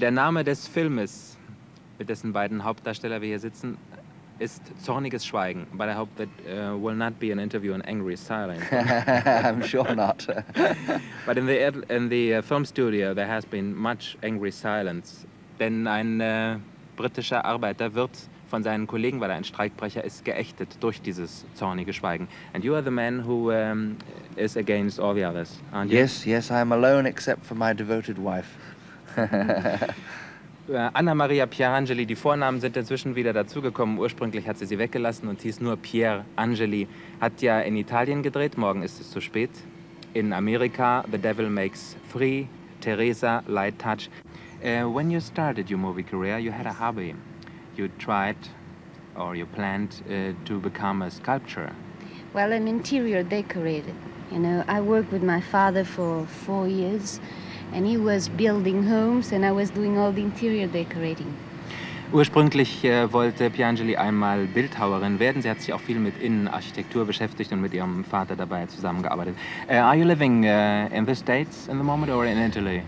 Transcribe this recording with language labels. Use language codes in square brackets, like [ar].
[de] Der Name des Filmes, mit dessen beiden Hauptdarsteller wir hier sitzen, ist Zorniges Schweigen. [en] But I hope that will not be an interview in angry silence. I'm sure not. But in the film studio there has been much angry silence. [de] Denn ein britischer Arbeiter wird von seinen Kollegen, weil er ein Streikbrecher ist, geächtet durch dieses zornige Schweigen. [en] And you are the man who is against all the others, aren't you? Yes, I am alone except for my devoted wife. [de] Anna Maria Pierangeli, die Vornamen sind inzwischen wieder dazugekommen. Ursprünglich hat sie sie weggelassen und hieß nur Pier Angeli. Hat ja in Italien gedreht, morgen ist es zu spät. In Amerika, The Devil Makes Three, Teresa, Light Touch. [en] When you started your movie career, you had a hobby. You tried, or you planned, to become a sculptor. Well, an interior decorator. You know, I worked with my father for 4 years, and he was building homes, and I was doing all the interior decorating. [de] Ursprünglich wollte Pierangeli einmal Bildhauerin werden. Sie hat sich auch viel mit Innenarchitektur beschäftigt und mit ihrem Vater dabei zusammengearbeitet. [en] Are you living in the States in the moment or in Italy?